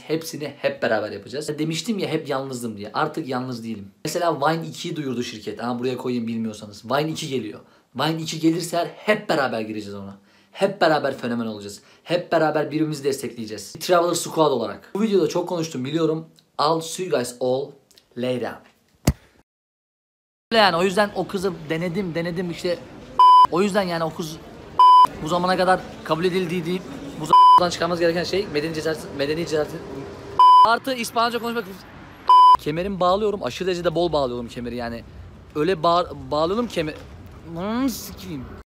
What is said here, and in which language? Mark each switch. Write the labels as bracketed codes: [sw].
[tr] Hepsini hep beraber yapacağız. Demiştim ya hep yalnızdım diye. Artık yalnız değilim. Mesela Vine 2'yi duyurdu şirket. Ama buraya koyayım bilmiyorsanız. Vine 2 geliyor. Vine 2 gelirse hep beraber gireceğiz ona. Hep beraber fenomen olacağız. Hep beraber birbirimizi destekleyeceğiz. Traveler Squad olarak. Bu videoda çok konuştum biliyorum. [en] I'll see you guys all later. [tr] Yani o yüzden o kızı denedim işte. O yüzden yani o kız bu zamana kadar kabul edildiği deyip bu zamandan çıkarmamız gereken şey medeni cesaret. Artı İspanyolca konuşmak. Kemerimi bağlıyorum, aşırı derecede bol bağlıyorum kemeri yani. Öyle bağlıyorum kemeri. Sikiyim.